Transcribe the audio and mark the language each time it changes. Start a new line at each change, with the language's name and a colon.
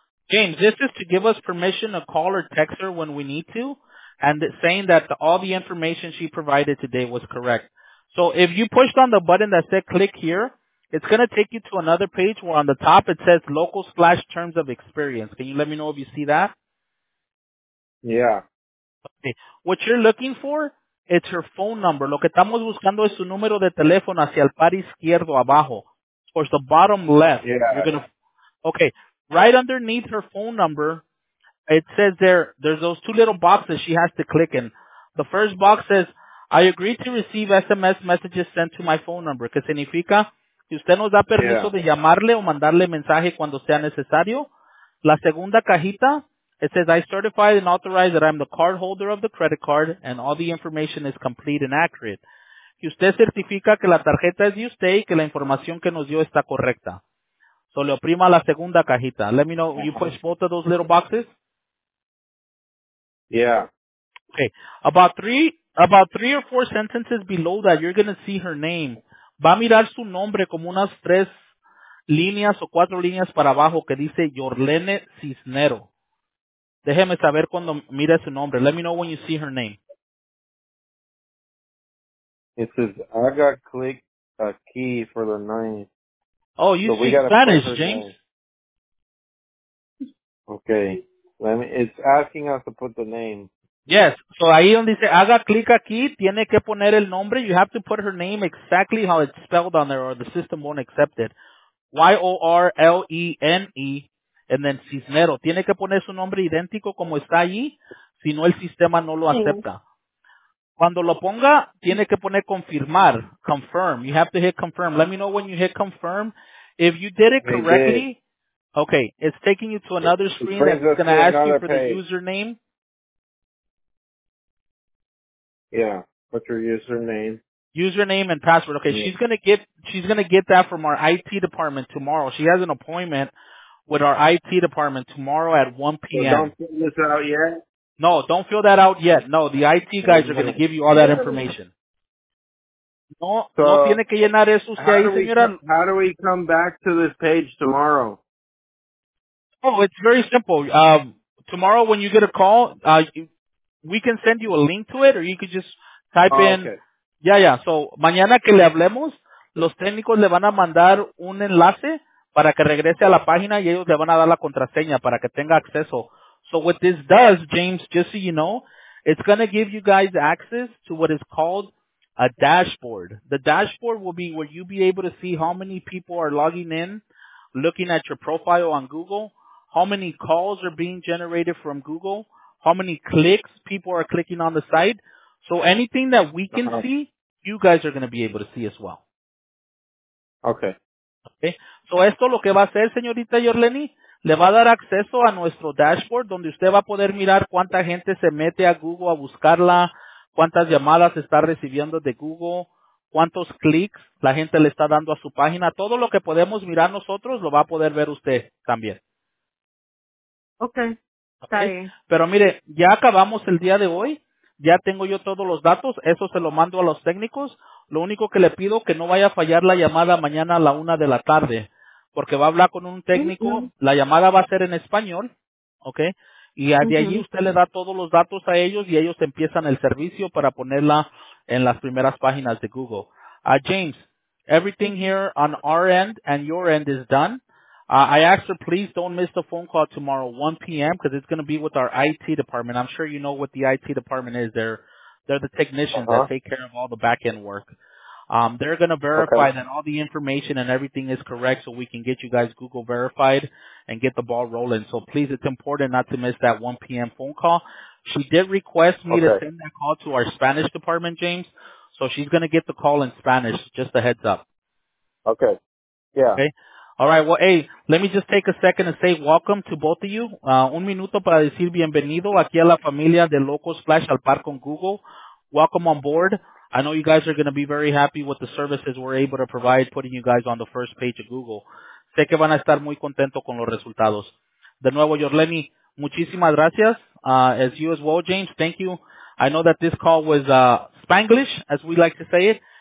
English: James, this is to give us permission to call or text her when we need to, and saying that all the information she provided today was correct. So if you pushed on the button that said click here, It's going to take you to another page where on the top it says local/terms of experience. Can you let me know if you see that? Yeah. Okay. What you're looking for, it's her phone number.
Spanish: Lo que estamos buscando es su número de teléfono hacia el par izquierdo abajo.
English: Towards the bottom left. Yeah. You're gonna, okay. Right underneath her phone number, it says there's those two little boxes she has to click in. The first box says, I agree to receive SMS messages sent to my phone number.
Spanish: Que significa que usted nos da permiso de llamarle o mandarle mensaje cuando sea necesario. La segunda cajita,
English: it says, I certify and authorize that I'm the cardholder of the credit card and all the information is complete and accurate.
Spanish: Que usted certifica que la tarjeta es de usted y que la información que nos dio está correcta. So le oprima la segunda cajita.
English: Let me know, you push both of those little boxes? Yeah. Okay, about three or four sentences below that, you're going to see her name.
Spanish: Va a mirar su nombre como unas tres líneas o cuatro líneas para abajo que dice Yorlene Cisnero. Déjeme saber cuando mire su nombre.
English: Let me know when you see her name. It says, I got click a key for the name. Oh, you so speak Spanish, James. Okay. It's asking us to put the name.
Spanish: Yes, so ahí donde dice haga clic aquí, tiene que poner el nombre.
English: You have to put her name exactly how it's spelled on there or the system won't accept it. Yorlene, and then Cisnero.
Spanish: Tiene que poner su nombre idéntico como está allí, si no el sistema no lo acepta. Cuando lo ponga, tiene que poner confirmar, confirm.
English: You have to hit confirm. Let me know when you hit confirm. If you did it correctly, okay, it's taking you to another screen that's going to ask you for page. The username. Yeah, what's your username? Username and password. Okay, she's gonna get that from our IT department tomorrow. She has an appointment with our IT department tomorrow at 1 p.m. So don't fill this out yet? No, don't fill that out yet. No, the IT guys are gonna give you all that information. No, so
Spanish: no tiene que llenar eso usted, señora.
English: How do we come back to this page tomorrow? Oh, it's very simple. Tomorrow when you get a call, we can send you a link to it, or you could just type in. Okay. Yeah.
Spanish: So, mañana que le hablemos, los técnicos le van a mandar un enlace para que regrese a la página y ellos le van a dar la contraseña para que tenga acceso.
English: So, what this does, James, just so you know, it's going to give you guys access to what is called a dashboard. The dashboard will be where you'll be able to see how many people are logging in, looking at your profile on Google, how many calls are being generated from Google, how many clicks people are clicking on the site. So anything that we can see, you guys are going to be able to see as well. Okay. Okay.
Spanish: So esto lo que va a hacer, señorita Yorleni, le va a dar acceso a nuestro dashboard donde usted va a poder mirar cuánta gente se mete a Google a buscarla, cuántas llamadas está recibiendo de Google, cuántos clicks la gente le está dando a su página. Todo lo que podemos mirar nosotros lo va a poder ver usted también.
English: Okay. Okay.
Spanish: Pero mire, ya acabamos el día de hoy, ya tengo yo todos los datos, eso se lo mando a los técnicos. Lo único que le pido que no vaya a fallar la llamada mañana a la 1 de la tarde, porque va a hablar con un técnico, la llamada va a ser en español, okay, y de allí usted le da todos los datos a ellos y ellos empiezan el servicio para ponerla en las primeras páginas de Google.
English: James, everything here on our end and your end is done. I asked her, please don't miss the phone call tomorrow, 1 p.m., because it's going to be with our IT department. I'm sure you know what the IT department is. They're the technicians that take care of all the back-end work. They're going to verify that all the information and everything is correct so we can get you guys Google verified and get the ball rolling. So, please, it's important not to miss that 1 p.m. phone call. She did request me to send that call to our Spanish department, James. So she's going to get the call in Spanish, just a heads up. Okay. Yeah. Okay. All right, well, hey, let me just take a second and say welcome to both of you.
Spanish: Un minuto para decir bienvenido aquí a la familia de Locos/Alpar con Google.
English: Welcome on board. I know you guys are going to be very happy with the services we're able to provide, putting you guys on the first page of Google.
Spanish: Sé que van a estar muy contentos con los resultados. De nuevo, Yorleni, muchísimas gracias.
English: As you as well, James, thank you. I know that this call was Spanglish, as we like to say it.